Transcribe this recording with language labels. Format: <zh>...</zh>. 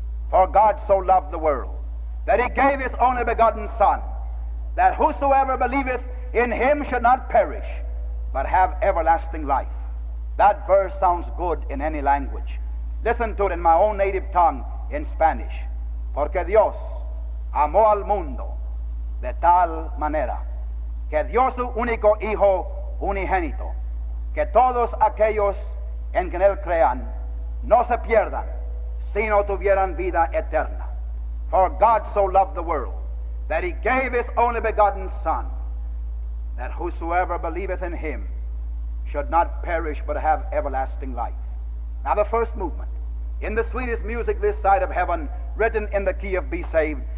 <en>"For God so loved the world, that he gave his only begotten Son, that whosoever believeth in him should not perish, but have everlasting life." That verse sounds good in any language. Listen to it in my own native tongue, in Spanish.</en> <es>"Porque Dios amó al mundo de tal manera que dio su único hijo unigénito, que todos aquellos en quien él crean no se pierdan, sino tuvieran vida eterna.</es> <en>For God so loved the world that he gave his only begotten Son, that whosoever believeth in him should not perish but have everlasting life." Now the first movement, "In the Sweetest Music This Side of Heaven," written in the key of "Be Saved,"</en>